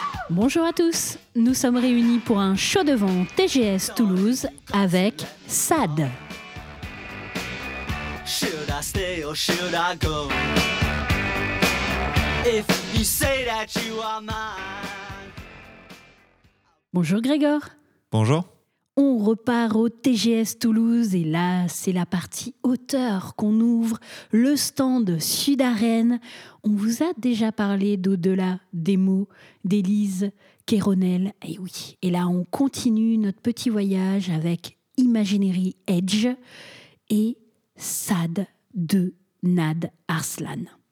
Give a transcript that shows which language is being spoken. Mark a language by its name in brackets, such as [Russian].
[French] Bonjour à tous, nous sommes réunis pour un show devant TGS Toulouse avec Sad. [English] Should I stay or should I go? If you say that you are mine. [French] Bonjour Grégor. Bonjour. On repart au TGS Toulouse et là, c'est la partie hauteur qu'on ouvre, le stand Sud Arène. On vous a déjà parlé d'au-delà des mots, d'Élise Kéronel. Et oui, et là, on continue notre petit voyage avec Imaginary Edge et Sad de Nad Arslan.